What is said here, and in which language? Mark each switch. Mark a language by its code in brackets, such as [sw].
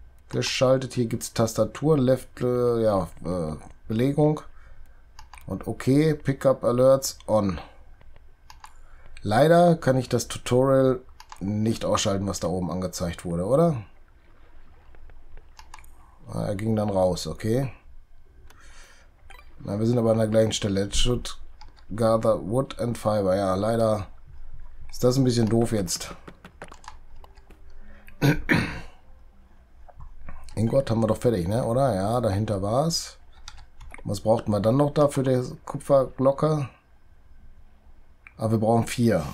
[de] Geschaltet, hier gibt es Tastatur, Left, ja, Belegung und OK, [en] Pickup Alerts on. [de] Leider kann ich das Tutorial nicht ausschalten, was da oben angezeigt wurde, oder? Er ging dann raus, okay. Na, wir sind aber an der gleichen Stelle. [en] It should gather wood and fiber. [de] Ja, leider ist das ein bisschen doof jetzt. Mein Gott, haben wir doch fertig, ne? Oder? Ja, dahinter war's. Was brauchten wir dann noch da für die Kupferglocke? Aber wir brauchen vier.